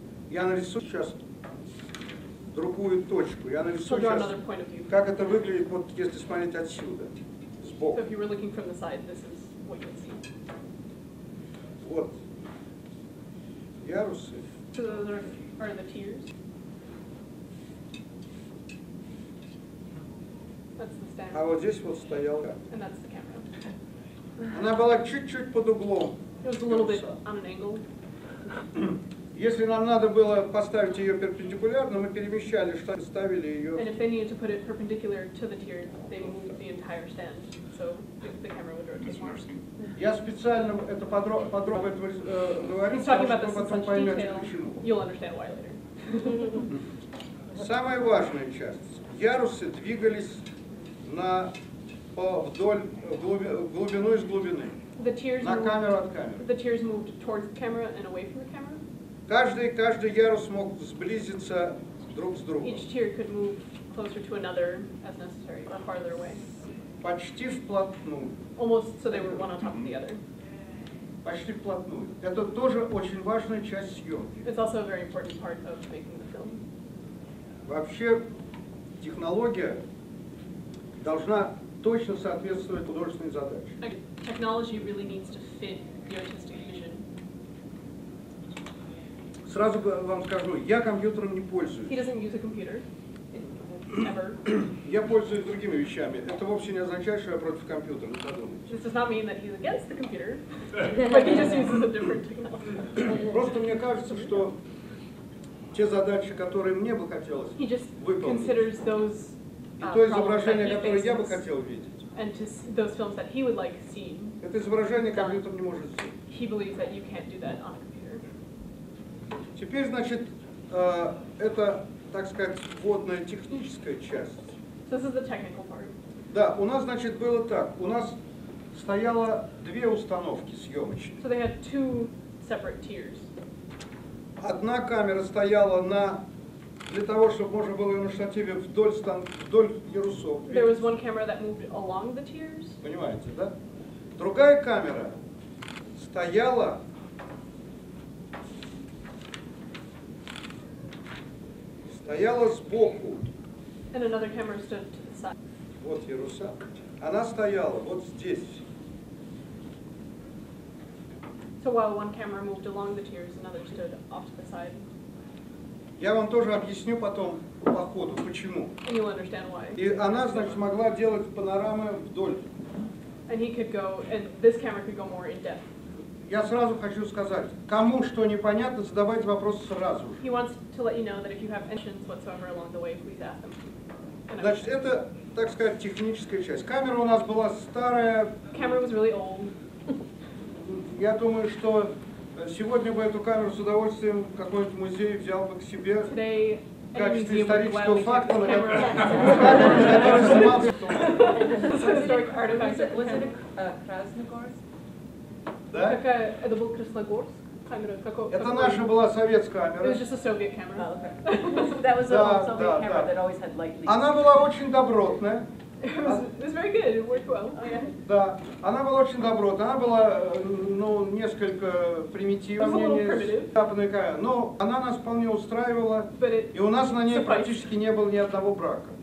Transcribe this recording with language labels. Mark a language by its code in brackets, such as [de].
[ru] Я нарисую сейчас другую точку. Я нарисую сейчас, как это выглядит, вот если смотреть отсюда, сбоку. [en] So if you were looking from the side, this is what you would see. [ru] Вот. Ярусы. [en] So those are the tiers. That's the stand. [ru] А вот здесь вот стоял. [en] And that's the camera. [ru] Она была чуть-чуть под углом. [en] It was a little bit on an angle. [ru] Если нам надо было поставить ее перпендикулярно, мы перемещали штанг, ставили ее. [en] And if they needed to put it perpendicular to the tier, they moved the entire stand, so the camera would rotate more. [ru] Я специально это подробно говорю, чтобы потом поймете почему. [en] You'll understand why later. [ru] Самая важная часть. Ярусы двигались на вдоль глубину из глубины. [en] The tiers [ru] на камеру от камеры. [en] The tiers moved towards the camera and away from the camera. [ru] Каждый ярус мог сблизиться друг с другом. [en] Each tier could move closer to another as necessary, or farther away. [ru] Почти вплотную. [en] Almost, so they were one on top of the other. [ru] Почти вплотную. Это тоже очень важная часть съемки. [en] It's also a very important part of making the film. [ru] Вообще, технология должна точно соответствовать художественной задаче. [en] Technology really needs to fit the artistic vision. [ru] Сразу вам скажу, я компьютером не пользуюсь. [en] He doesn't use a computer. Ever. [ru] Я пользуюсь другими вещами. Это вовсе не означает, что я против компьютера. Не подумайте. [en] This does not mean that he's against the computer. But he just uses a different technology. [ru] Просто мне кажется, что те задачи, которые мне бы хотелось выполнить, и то изображение, которое я бы хотел видеть, [en] and to those films that he would like seen, [ru] это изображение компьютер не может сделать. [en] He believes that you can't do that on a computer. [ru] Теперь, значит, это, так сказать, вводная техническая часть. [en] This is the technical part. [ru] Да, у нас, значит, было так. У нас стояло две установки съемочные. [en] So they had two separate tiers. [ru] Одна камера стояла на... для того, чтобы можно было ее на штативе вдоль, вдоль ярусов. [en] There was one camera that moved along the tiers. [ru] Понимаете, да? Другая камера стояла... стояла сбоку. [en] And another camera stood to the side. [ru] Вот яруса. Она стояла вот здесь. [en] So while one camera moved along the tiers, another stood off to the side. [ru] Я вам тоже объясню потом по ходу, почему. [en] And you'll understand why. [ru] И она, значит, могла делать панорамы вдоль. [en] And he could go, and this camera could go more in depth. [ru] Я сразу хочу сказать, кому что непонятно, задавайте вопросы сразу же. [en] He wants to let you know that if you have questions whatsoever along the way, please ask them. [ru] Значит, это, так сказать, техническая часть. Камера у нас была старая. [en] Camera was really old. [ru] Я думаю, что сегодня бы эту камеру с удовольствием какой-нибудь музей взял бы к себе [en] today, [ru] в качестве исторического факта. [en] Was it a Krasnogorsk? [ru] Да? Какая? Это был Красногорск? Это наша была советская камера. [en] It was just a Soviet camera. Oh, okay. That was a Soviet camera that always had light leaks. [ru] Она была очень добротная. [en] It was very good. It worked well. Okay. [ru] Да, она была очень добротная. Она была, ну, несколько примитивнее. [en] Primitive. [ru] Но она нас вполне устраивала. [en] But it [ru] и у нас на ней практически не было ни одного брака.